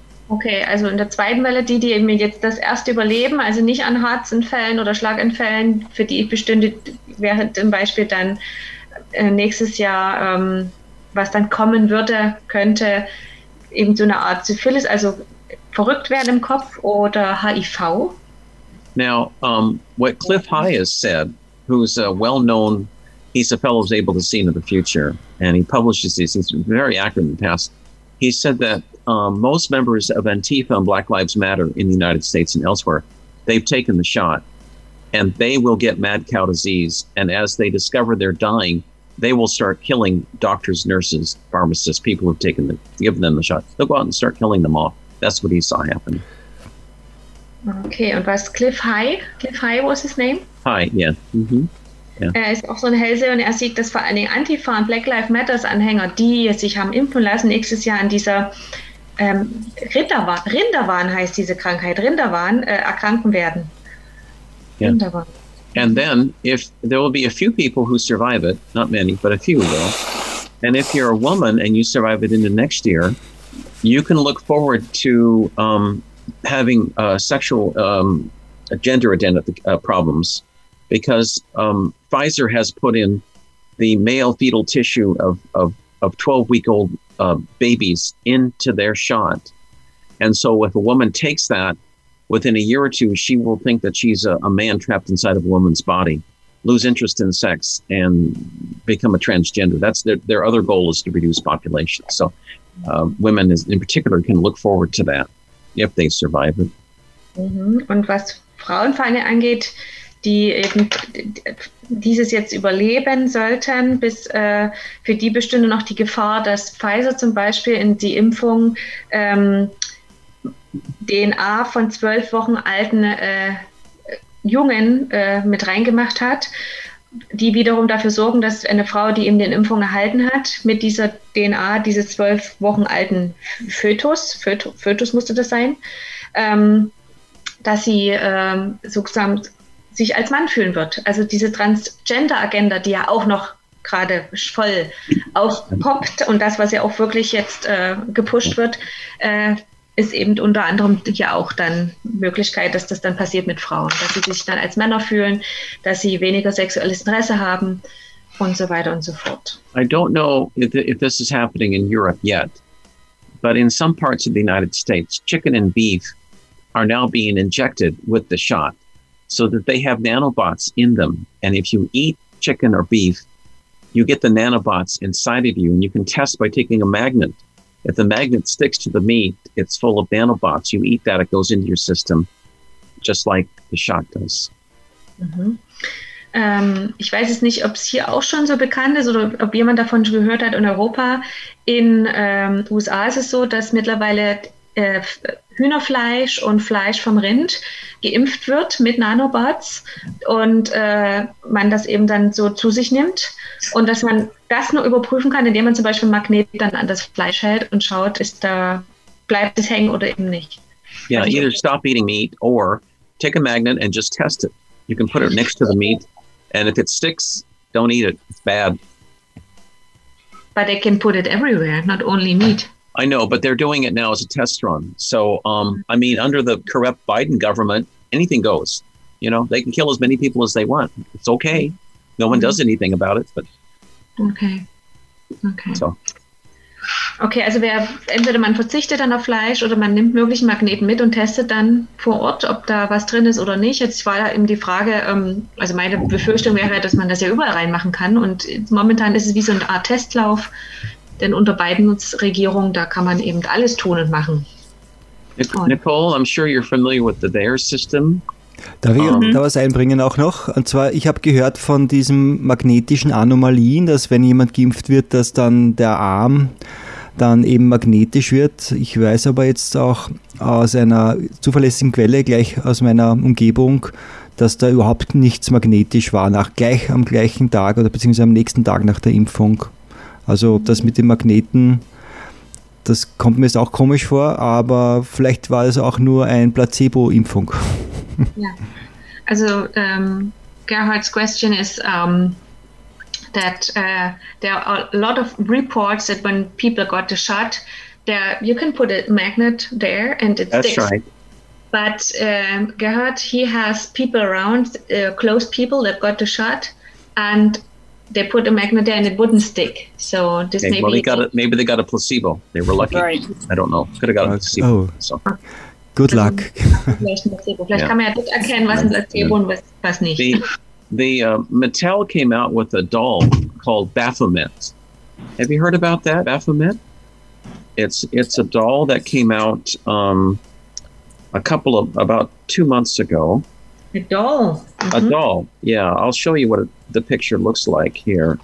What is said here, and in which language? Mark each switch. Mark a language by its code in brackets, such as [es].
[de] Okay, also in der zweiten Welle, die eben jetzt das erste überleben, also nicht an Herzinfällen oder Schlaganfällen, für die ich bestünde, wäre zum Beispiel dann nächstes Jahr, was dann kommen würde, könnte eben so eine Art Syphilis, also verrückt werden im Kopf oder HIV. [en] Now, what Cliff High has said, who's a well-known, he's a fellow who's able to see into the future, and he publishes these, he's very accurate in the past, he said that most members of Antifa and Black Lives Matter in the United States and elsewhere, they've taken the shot, and they will get mad cow disease, and as they discover they're dying, they will start killing doctors, nurses, pharmacists, people who've taken the, given them the shot. They'll go out and start killing them off. That's what he saw happen. Okay, [de] und was [en] Cliff High? Cliff High, was his name? High, yeah. Mm-hmm. [de] Yeah. Er ist auch so ein Hellseher und er sieht, dass vor allen Dingen Antifa und Black Lives Matters Anhänger, die sich haben impfen lassen, nächstes Jahr an dieser Rinderwahn heißt diese Krankheit, Rinderwahn, erkranken werden. [en] Yeah. Rinderwahn. And then, if there will be a few people who survive it, not many, but a few will. And if you're a woman and you survive it into next year, you can look forward to having sexual gender identity problems, because Pfizer has put in the male fetal tissue of 12-week-old babies into their shot. And so if a woman takes that, within a year or two, she will think that she's a man trapped inside of a woman's body, lose interest in sex, and become a transgender. That's their other goal, is to reduce population. So women in particular can look forward to that if they survive it. Mm-hmm. [de] Und was Frauenfeinde angeht, die eben dieses jetzt überleben sollten, bis für die bestünde noch die Gefahr, dass Pfizer zum Beispiel in die Impfung DNA von 12 Wochen alten Jungen mit reingemacht hat, die wiederum dafür sorgen, dass eine Frau, die eben den Impfung erhalten hat, mit dieser DNA dieses 12 Wochen alten Fötus musste das sein, dass sie sozusagen sich als Mann fühlen wird. Also diese Transgender-Agenda, die ja auch noch gerade voll aufpoppt und das, was ja auch wirklich jetzt gepusht wird, ist eben unter anderem ja auch dann Möglichkeit, dass das dann passiert mit Frauen, dass sie sich dann als Männer fühlen, dass sie weniger sexuelles Interesse haben und so weiter und so fort. [en] I don't know if this is happening in Europe yet, but in some parts of the United States, chicken and beef are now being injected with the shot, so that they have nanobots in them. And if you eat chicken or beef, you get the nanobots inside of you, and you can test by taking a magnet. If the magnet sticks to the meat, it's full of nanobots. You eat that, it goes into your system, just like the shot does. Mm-hmm. [de] Ich weiß es nicht, ob es hier auch schon so bekannt ist oder ob jemand davon schon gehört hat in Europa. In USA ist es so, dass mittlerweile Hühnerfleisch und Fleisch vom Rind geimpft wird mit Nanobots und man das eben dann so zu sich nimmt und dass man das nur überprüfen kann, indem man zum Beispiel einen Magnet dann an das Fleisch hält und schaut, ist da, bleibt es hängen oder eben nicht. [en] Yeah, either stop eating meat or take a magnet and just test it. You can put it next to the meat and if it sticks, don't eat it. It's bad. But they can put it everywhere, not only meat. I know, but they're doing it now as a test run. So, I mean, under the corrupt Biden government, anything goes. You know, they can kill as many people as they want. It's okay. No one does anything about it. But okay. So. [de] Okay, also wer, entweder man verzichtet dann auf Fleisch oder man nimmt möglichen Magneten mit und testet dann vor Ort, ob da was drin ist oder nicht. Jetzt war ja eben die Frage, also meine Befürchtung wäre, dass man das ja überall reinmachen kann. Und momentan ist es wie so eine Art Testlauf. Denn unter Bidens Regierung, da kann man eben alles tun und machen. [en] Nicole, I'm sure you're familiar with the DARE system. [de] Darf ich da was einbringen auch noch? Und zwar, ich habe gehört von diesen magnetischen Anomalien, dass wenn jemand geimpft wird, dass dann der Arm dann eben magnetisch wird. Ich weiß aber jetzt auch aus einer zuverlässigen Quelle, gleich aus meiner Umgebung, dass da überhaupt nichts magnetisch war, gleich am gleichen Tag oder beziehungsweise am nächsten Tag nach der Impfung. Also das mit den Magneten, das kommt mir jetzt auch komisch vor, aber vielleicht war es auch nur ein Placebo-Impfung. Ja, also [en] Gerhard's question is that there are a lot of reports that when people got the shot, there you can put a magnet there and it That's sticks. That's right. But Gerhard, he has people around, close people that got the shot and they put a magnet there and it wouldn't stick. So this okay, maybe well, maybe they got a placebo. They were lucky. Right. I don't know. Could have got a placebo. Oh. So. Good luck. [de] Vielleicht kann man ja dort erkennen, was ein Placebo und was nicht. [en] The Mattel came out with a doll called Baphomet. Have you heard about that, Baphomet? It's a doll that came out about 2 months ago. A doll. Mm-hmm. A doll. Yeah, I'll show you what the picture looks like here.